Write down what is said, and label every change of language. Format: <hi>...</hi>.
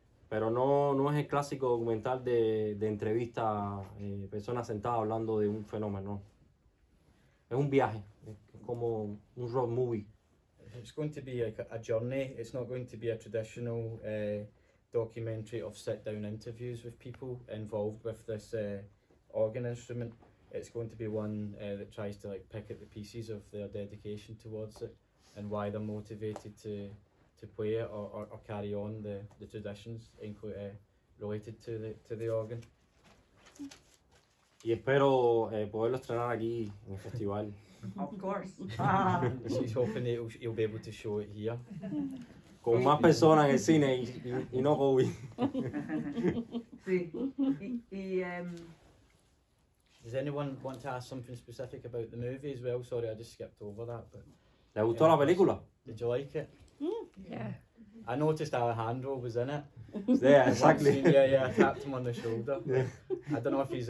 <es>Pero no es el clásico documental de entrevista, personas sentadas hablando de un fenómeno. Es un viaje, es como un road movie.</es> <en>It's going to be a journey. It's not going to be a traditional documentary of sit-down interviews with people involved with this organ instrument. It's going to be one that tries to like pick at the pieces of their dedication towards it and why they're motivated to to play it or carry on the traditions include, related to the organ.</en> <es>Y espero poderlo estrenar aquí en el festival.</es> <en>Of course. She's hoping he'll be able to show it here.</en> <es>Con más personas en el cine y no Bobby. Sí.</es> <en>Does anyone want to ask something specific about the movie as well? Sorry, I just skipped over that. But,</en> <es>¿le gustó la película?</es> <en>Did you like it? Yeah. I noticed Alejandro was in it. Yeah, exactly. Yeah, I tapped him on the shoulder. Yeah. I don't know if he's...</en>